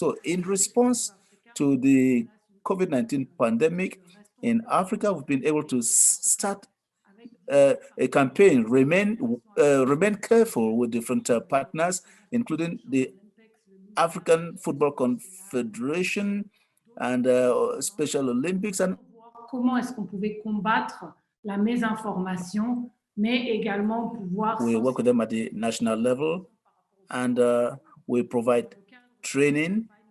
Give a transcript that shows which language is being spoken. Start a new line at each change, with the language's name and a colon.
English: So in response to the COVID-19 pandemic in Africa, we've been able to start a campaign, remain careful with different partners, including the African Football Confederation and Special Olympics. And
French: comment est-ce qu'on pouvait combattre la mésinformation, mais également pouvoir.
English: We work with them at the national level, and we provide training.